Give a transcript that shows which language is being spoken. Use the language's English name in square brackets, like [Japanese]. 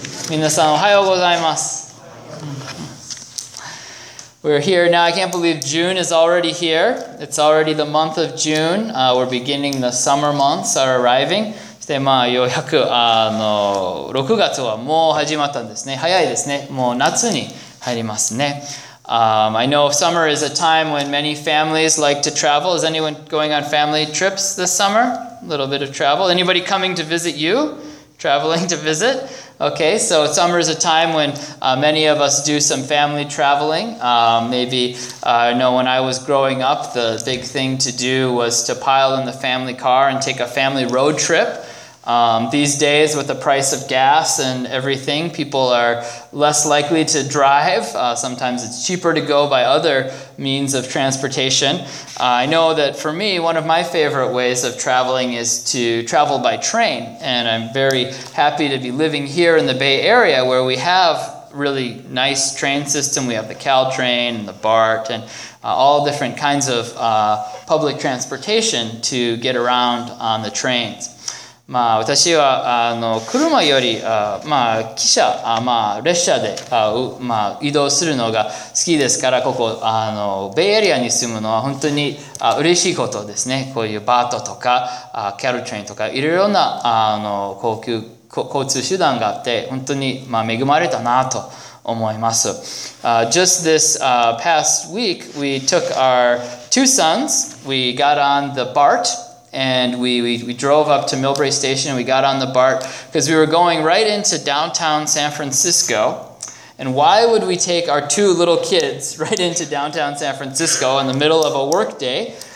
[Japanese] 皆さん、おはようございます。 [English] We're here now. I can't believe June is already here. It's already the month of June. We're beginning the summer months are arriving. [Japanese] でまあ、ようやく6月はもう始まったんですね。早いですね。もう夏に入りますね。 [English] I know summer is a time when many families like to travel. Is anyone going on family trips this summer? A little bit of travel. Anybody coming to visit you? Traveling to visit? Okay, so summer is a time when many of us do some family traveling. I know when I was growing up, the big thing to do was to pile in the family car and take a family road trip. These days, with the price of gas and everything, people are less likely to drive. Sometimes it's cheaper to go by other means of transportation. I know that for me, one of my favorite ways of traveling is to travel by train. And I'm very happy to be living here in the Bay Area where we have really nice train system. We have the Caltrain and the BART and all different kinds of public transportation to get around on the trains. [Japanese] まあ、私は車よりまあ汽車、まあ列車でまあ移動するのが好きですから、ここベイエリアに住むのは本当に嬉しいことですね。こういうバートとかキャルトレインとかいろいろな交通手段があって本当にまあ恵まれたなと思います。 [English] Just this past week, we took our two sons. We got on the BART. And we drove up to Millbrae Station and we got on the BART because we were going right into downtown San Francisco. And why would we take our two little kids right into downtown San Francisco in the middle of a work day?